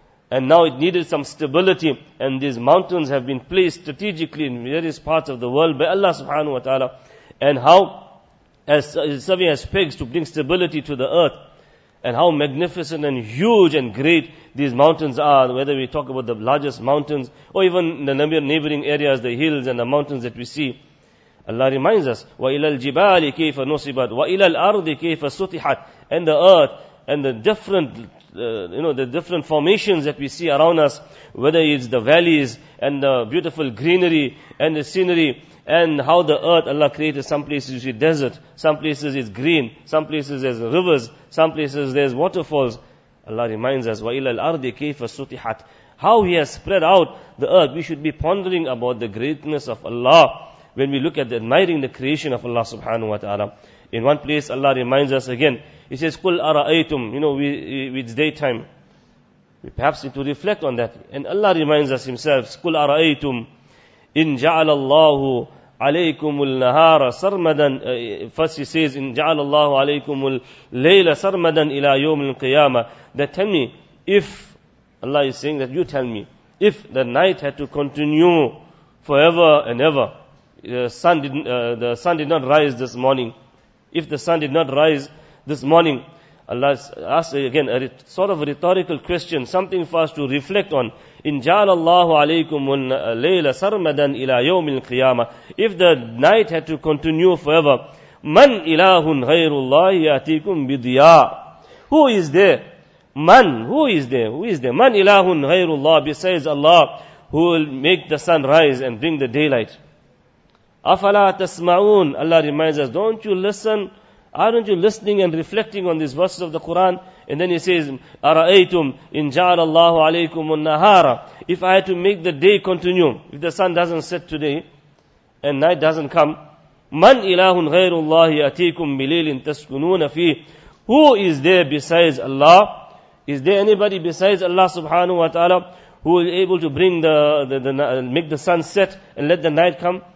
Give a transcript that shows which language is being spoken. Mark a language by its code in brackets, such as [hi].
[en] And now it needed some stability. And these mountains have been placed strategically in various parts of the world by Allah subhanahu wa ta'ala. And how, as serving as pegs to bring stability to the earth. And how magnificent and huge and great these mountains are. Whether we talk about the largest mountains or even the neighboring areas, the hills and the mountains that we see. Allah reminds us, [ar] وَإِلَى الْجِبَالِ كَيْفَ نُصِبَتْ وَإِلَى الْأَرْضِ كَيْفَ سُطِحَتْ. [en] And the earth and the different the different formations that we see around us, whether it's the valleys and the beautiful greenery and the scenery, and how the earth Allah created, some places you see desert, some places it's green, some places there's rivers, some places there's waterfalls. Allah reminds us, [ar] وَإِلَى الْأَرْضِ كَيْفَ سُطِحَتْ. [en] How He has spread out the earth. We should be pondering about the greatness of Allah when we look at admiring the creation of Allah subhanahu wa ta'ala. In one place Allah reminds us again. He says, [ar] قُلْ أَرَأَيْتُمْ. [en] You know, we it's daytime. We perhaps need to reflect on that. And Allah reminds us Himself, [ar] قُلْ أَرَأَيْتُمْ إِنْ جَعَلَ اللَّهُ عَلَيْكُمُ الْنَهَارَ سَرْمَدًا. [en] First He says, [ar] إِنْ جَعَلَ اللَّهُ عَلَيْكُمُ الْلَيْلَ سَرْمَدًا إِلَى يَوْمِ الْقِيَامَةِ. [en] That tell me, if, Allah is saying that, you tell me, if the night had to continue forever and ever, the sun did not rise this morning, if the sun did not rise this morning, Allah asks again a sort of a rhetorical question, something for us to reflect on. [ar] In جَعَلَ اللَّهُ عَلَيْكُمُ اللَّيْلَ سَرْمَدًا إِلَى يَوْمِ الْقِيَامَةِ. [en] If the night had to continue forever, [ar] مَنْ إِلَهٌ غَيْرُ اللَّهِ يَأْتِيكُمْ بِضِيَاءٍ. [en] Who is there? مَنْ. Who is there? Who is there? [ar] مَنْ إِلَهٌ غَيْرُ اللَّهِ. [en] Besides Allah, who will make the sun rise and bring the daylight. [ar] أَفَلَا تَسْمَعُونَ. [en] Allah reminds us, don't you listen? Aren't you listening and reflecting on these verses of the Quran? And then He says, [ar] أَرَأَيْتُمْ إِنْ جَعَلَ اللَّهُ عَلَيْكُمُ النَّهَارَ. [en] If I had to make the day continue, if the sun doesn't set today, and night doesn't come, [ar] مَنْ إِلَهٌ غَيْرُ اللَّهِ يَأْتِيكُمْ بِلَيْلٍ تَسْكُنُونَ فِيهِ. [en] Who is there besides Allah? Is there anybody besides Allah subhanahu wa ta'ala who is able to bring make the sun set and let the night come?